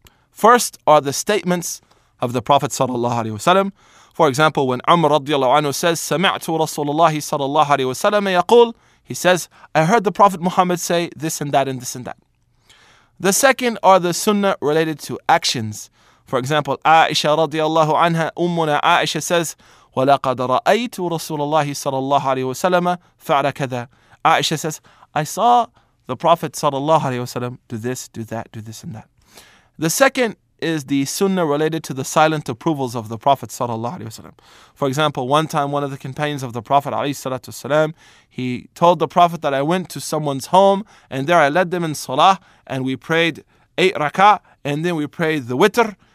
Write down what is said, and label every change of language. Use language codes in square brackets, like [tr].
[en] First are the statements of the Prophet sallallahu alayhi wasalam. For example, when Umar radiallahu anhu says, [ar] "Sami'tu Rasulullah sallallahu alayhi wasalam yaqul," [en] he says, "I heard the Prophet Muhammad say this and that and this and that." The second are the sunnah related to actions. For example, Aisha radiallahu anha, Ummuna Aisha says, [ar] وَلَقَدْ رَأَيْتُ رَسُولَ اللَّهِ صَلَى اللَّهُ عَلَيْهُ وَسَلَمَ فَعْلَ كَذَا. [en] Aisha says, I saw the Prophet sallallahu alayhi wasallam do this, do that, do this and that. The second is the sunnah related to the silent approvals of the Prophet sallallahu alayhi wasallam. For example, one time one of the companions of the Prophet alayhi salatu wasalam, he told the Prophet that I went to someone's home and there I led them in salah and we prayed 8 rak'ah and then we prayed the witr.